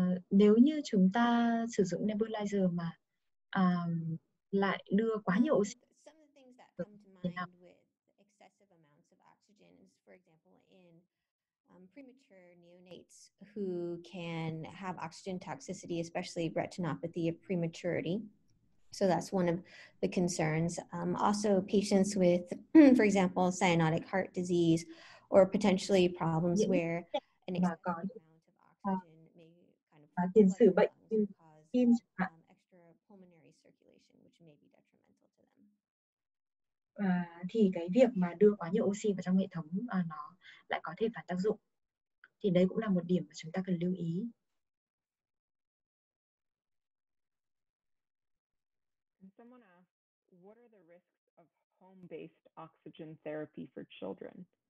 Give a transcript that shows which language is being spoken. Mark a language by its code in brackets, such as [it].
[vi] Nếu như chúng ta sử dụng nebulizer mà lại đưa quá nhiều oxy. [en] Some of the things that come to mind with excessive amounts of oxygen is, for example, in premature neonates who can have oxygen toxicity, especially retinopathy of prematurity. So that's one of the concerns. Also patients with, for example, cyanotic heart disease or potentially problems where an excessive amount of oxygen [vi] tiền sử bệnh như tim [en] extra pulmonary circulation which may be detrimental to them. [vi] Thì cái việc mà đưa quá nhiều oxy vào trong hệ thống nó lại có thể phản tác dụng. Thì đấy cũng là một điểm mà chúng ta cần lưu ý. [en] Someone asked, what are the risks of home-based oxygen therapy for children?